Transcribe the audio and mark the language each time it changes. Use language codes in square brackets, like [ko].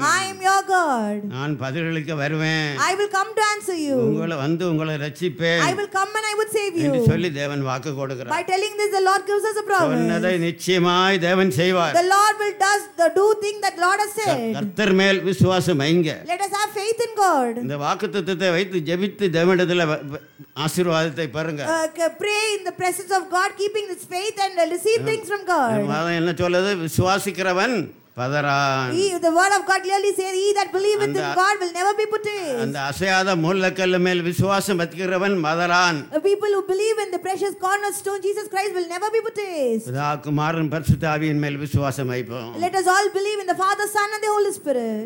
[en] I am your God. [ta] நான் பதிலளிக்க வருவேன். [en] I will come to answer you. [ta] உங்களை வந்து உங்களை ரட்சிப்பேன். [en] I will come and I will save you. [ta] என்று சொல்லி தேவன் வாக்கு கொடுக்கிறார். [en] By telling this the Lord gives us a promise. [ta] சொன்னதை நிச்சயமாய் தேவன் செய்வார். [en] The Lord will does the do thing that Lord has said. [ta] கர்த்தர் மேல் விசுவாசம் வைங்க. [en] Let us have faith in God. [ta] இந்த வாக்குத்தத்தத்தை வைத்து ஜெபித்து தேவனிடத்தில் ஆசீர்வாதத்தை பெறுங்க. [en] Pray in the presence of God keeping this faith and receive things from God. [ta] வாதம் என்ன சொல்லுது? விசுவாசிக்கிறவன் பதறான். [en] The word of God clearly says, he that believeth in God will never be put to shame. [ta] அந்த அசையாத மூலக்கல் மேல் விசுவாசம் வைக்கிறவன் பதறான். [en] People who believe in the precious cornerstone Jesus Christ will never be put to shame. [ta] பிதா குமாரன் பரிசுத்த ஆவியின் மேல் விசுவாசம் வைப்போம். [en] Let us all believe in the Father, Son and the Holy Spirit.